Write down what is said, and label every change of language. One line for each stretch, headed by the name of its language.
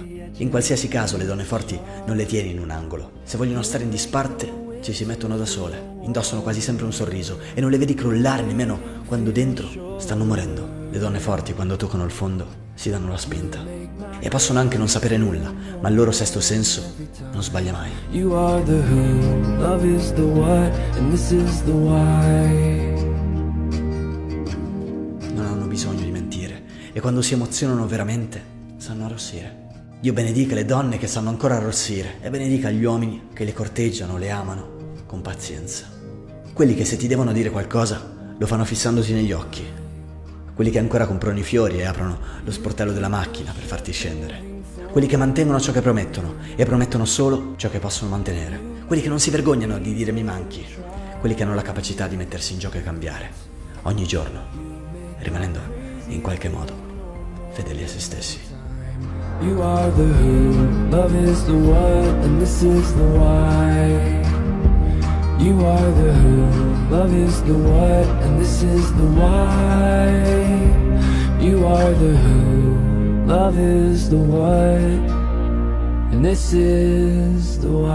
Italian: In qualsiasi caso le donne forti non le tieni in un angolo. Se vogliono stare in disparte, ci si mettono da sole. Indossano quasi sempre un sorriso e non le vedi crollare nemmeno quando dentro stanno morendo. Le donne forti, quando toccano il fondo, si danno la spinta. E possono anche non sapere nulla, ma il loro sesto senso non sbaglia mai.
English: You are the who, love is the what, and this is the why.
Italian: Non hanno bisogno di mentire, e quando si emozionano veramente, sanno arrossire. Dio benedica le donne che sanno ancora arrossire, e benedica gli uomini che le corteggiano, le amano, con pazienza. Quelli che se ti devono dire qualcosa, lo fanno fissandosi negli occhi. Quelli che ancora comprano i fiori e aprono lo sportello della macchina per farti scendere. Quelli che mantengono ciò che promettono e promettono solo ciò che possono mantenere. Quelli che non si vergognano di dire mi manchi. Quelli che hanno la capacità di mettersi in gioco e cambiare. Ogni giorno, rimanendo in qualche modo fedeli a se stessi.
English: You are the who, love is the what, and this is the why. You are the who, love is the what, and this is the why. You are the who, love is the what, and this is the